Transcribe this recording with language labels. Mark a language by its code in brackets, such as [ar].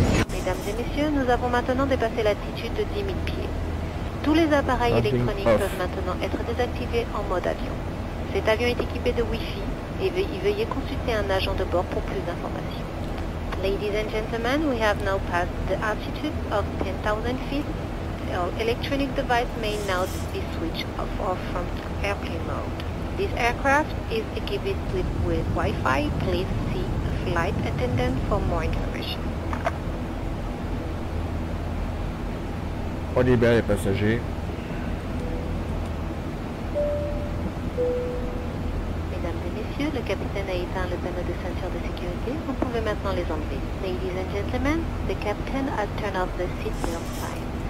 [fr] Mesdames et messieurs, nous avons maintenant dépassé l'altitude de 10 000 pieds. Tous les appareils électroniques peuvent maintenant être désactivés en mode avion. Cet avion est équipé de Wi-Fi et veuillez consulter un agent de bord pour plus d'informations. [en] Ladies and gentlemen, we have now passed the altitude of 10,000 feet. All electronic device may now be switched off or from airplane mode. This aircraft is equipped with Wi-Fi. Please see a flight attendant for more information. [fr] On libère les passagers. Le capitaine a éteint le panneau de ceinture de sécurité. Vous pouvez maintenant les enlever. [en] Ladies and gentlemen, the captain has turned off the seat belt sign.